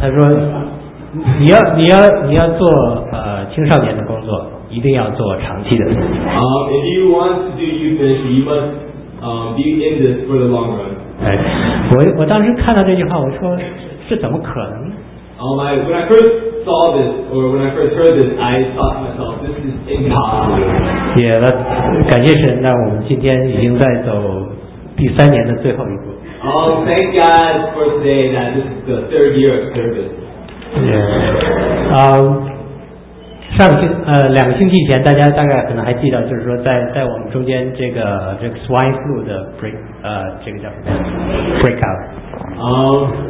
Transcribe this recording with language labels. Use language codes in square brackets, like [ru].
[zh] 他说你要做青少年的工作。一定要做长期的。 [en] If you want to do youth ministry, you must be in this for the long run. [zh] 哎，我当时看到这句话，我说是怎么可能呢？ [en] When I first saw this, or when I first heard this, I thought to myself, this is impossible. [zh] Yeah, 那感谢神，那我们今天已经在走第三年的最后一步。 [en] Thank God for today that this is the third year of service. [zh] Yeah. 两个星期前，大家大概可能还记得，就是说在我们中间这个 swine flu 的 break 这个叫什么 breakout。